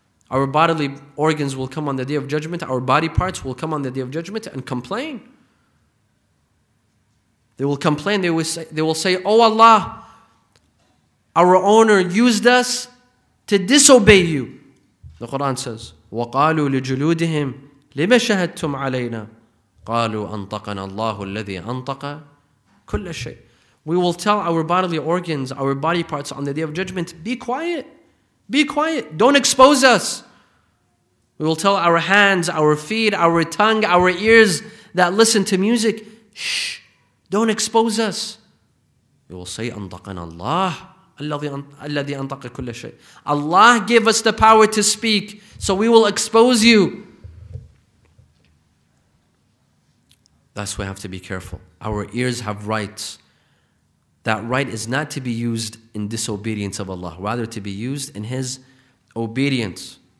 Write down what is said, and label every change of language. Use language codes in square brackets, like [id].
[en] Our bodily organs will come on the day of judgment. Our body parts will come on the day of judgment and complain. They will complain. They will say, oh Allah, our owner used us to disobey you. The Quran says, [ar] وَقَالُوا لِجُلُودِهِمْ لِمَ شَهَدْتُمْ عَلَيْنَا قَالُوا أَنْطَقَنَا اللَّهُ الَّذِي أَنْطَقَ كُلَّ شَيْءٍ. [en] We will tell our bodily organs, our body parts on the day of judgment, be quiet, be quiet, don't expose us. We will tell our hands, our feet, our tongue, our ears that listen to music, shh, don't expose us. We will say, [ar] أَنْطَقَنَا اللَّهُ الَّذِي أَنْطَقَ كُلَّ شَيْءٍ. [en] Allah give us the power to speak, so we will expose you. That's why we have to be careful. Our ears have rights. That right is not to be used in disobedience of Allah, rather to be used in His obedience.